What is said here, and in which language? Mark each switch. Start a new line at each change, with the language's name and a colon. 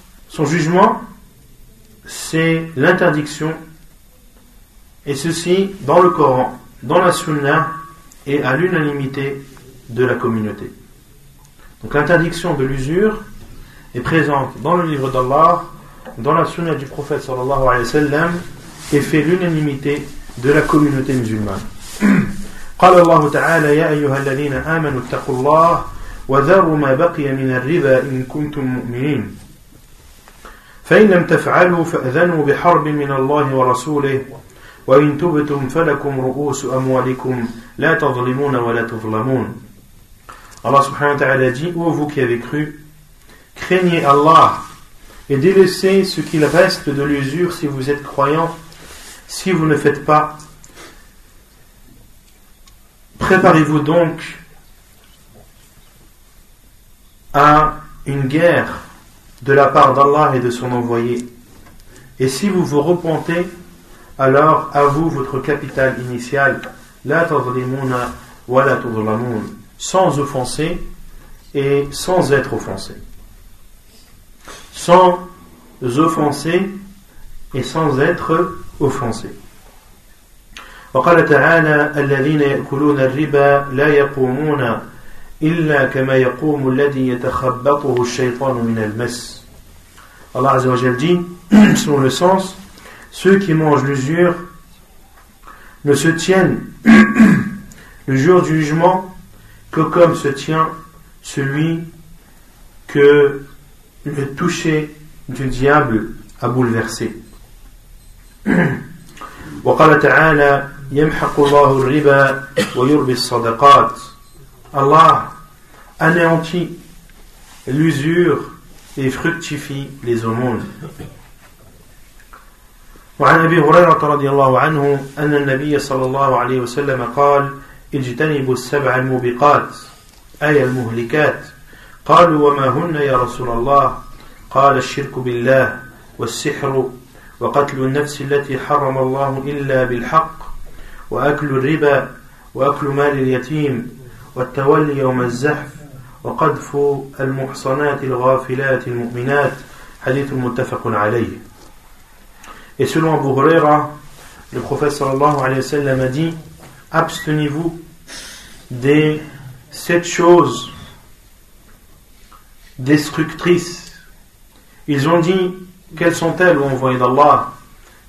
French: Son jugement, c'est l'interdiction, et ceci dans le Coran, dans la Sunna, et à l'unanimité de la communauté. Donc l'interdiction de l'usure est présente dans le livre d'Allah, dans la Sunna du prophète sallallahu alayhi wa sallam, et fait l'unanimité de la communauté musulmane.
Arabic: قال الله تعالى يا أيها الذين آمنوا اتقوا الله وذروا ما بقي من الربا إن كنتم مؤمنين فإن لم تفعلوا فأذنوا بحرب من الله ورسوله وإن تبتم فلكم رؤوس أموالكم لا تظلمون ولا تظلمون.
French: الله سبحانه وتعالى dit: Ô vous qui avez cru, craignez Allah et délaissez ce qu'il reste de l'usure si vous êtes croyants, si vous ne faites pas. Préparez-vous donc à une guerre de la part d'Allah et de son envoyé. Et si vous vous repentez, alors à vous votre capital initial,
Arabic: la tazlimuna wa la tuzlamun,
French: sans offenser et sans être offensé. Sans offenser et sans être offensé.
Arabic: وقال تعالى الذين يأكلون الربا لا يقومون إلا كما يقوم الذي يتخبطه الشيطان من المس.
French: الله عز وجل dit, selon le sens, ceux qui mangent l'usure ne se tiennent le jour du jugement que comme se tient celui que le toucher du diable a bouleversé.
Arabic: وقال تعالى يَمْحَقُ اللَّهُ الرِّبَى وَيُرْبِي الصَّدَقَاتِ.
French: Allah anéantit l'usure et fructifie les aumônes.
Arabic: وعن أبي هريرة رضي الله عنه أن النبي صلى الله عليه وسلم قال اجتنبوا السبع الموبقات أي المهلكات. قالوا وما هن يا رسول الله؟ قال الشرك بالله والسحر وقتل النفس التي حرم الله إلا بالحق وأكل الربا وأكل مال اليتيم والتولي يوم الزحف وقذف المحصنات الغافلات المؤمنات. حديث متفق عليه.
French: Et selon Abu Huraira, le prophète sallallahu alayhi wa sallam a dit « Abstenez-vous des sept choses destructrices. » Ils ont dit « Quelles sont-elles, ô envoyé d'Allah ?»